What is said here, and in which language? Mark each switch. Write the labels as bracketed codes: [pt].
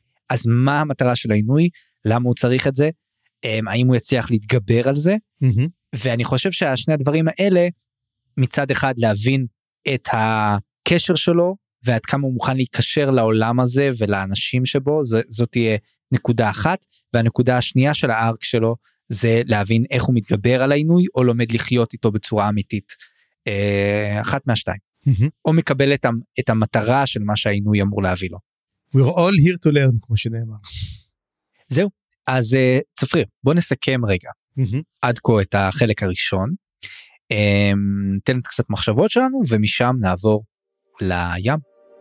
[he] אז מה המטרה של העינוי? למה הוא צריך את זה, האם הוא יצליח להתגבר על זה, ואני חושב שהשני הדברים האלה, מצד אחד להבין את הקשר שלו, ועד כמה הוא מוכן להיקשר לעולם הזה, ולאנשים שבו, זאת תהיה נקודה אחת, והנקודה השנייה של הארק שלו, זה להבין איך הוא מתגבר על העינוי, או לומד לחיות איתו בצורה אמיתית, אחת מהשתיים, או מקבל את המטרה של מה שהעינוי אמור להביא לו. [en] We're all here to learn, [he] כמו שנאמר. זהו, אז צפריר, בוא נסכם רגע, עד כה את החלק הראשון, ניתן את קצת מחשבות שלנו, ומשם נעבור לים.